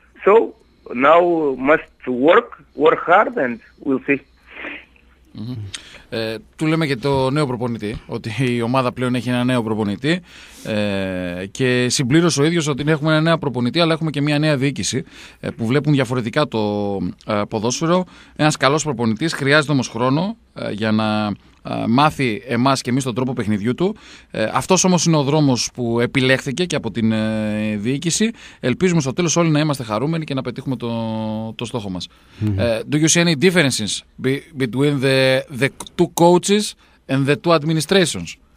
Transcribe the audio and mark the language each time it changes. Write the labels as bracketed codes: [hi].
[en] So now must work hard and we'll see. [el] Του λέμε και το νέο προπονητή, ότι η ομάδα πλέον έχει ένα νέο προπονητή, και συμπλήρωσε ο ίδιος ότι έχουμε ένα νέο προπονητή, αλλά έχουμε και μια νέα διοίκηση που βλέπουν διαφορετικά το ποδόσφαιρο. Ένας καλός προπονητής χρειάζεται όμως χρόνο για να μάθει εμάς και εμείς τον τρόπο παιχνιδιού του. Αυτός όμως είναι ο δρόμος που επιλέχθηκε και από την διοίκηση. Ελπίζουμε στο τέλος όλοι να είμαστε χαρούμενοι και να πετύχουμε το στόχο μας. [en] Do you see any differences between the two coaches and the two administrations?